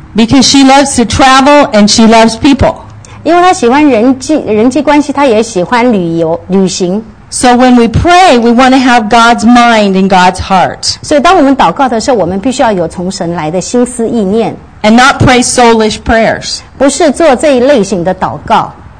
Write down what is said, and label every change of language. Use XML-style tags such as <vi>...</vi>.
<en>Because she loves to travel and she loves people.</en> <zh>因为她喜欢人际关系，她也喜欢旅行。</zh> <en>So when we pray, we want to have God's mind and God's heart.</en> <zh>所以当我们祷告的时候，我们必须要有从神来的心思意念。</zh> <en>And not pray soulish prayers.</en> <zh>不是做这一类型的祷告。</zh>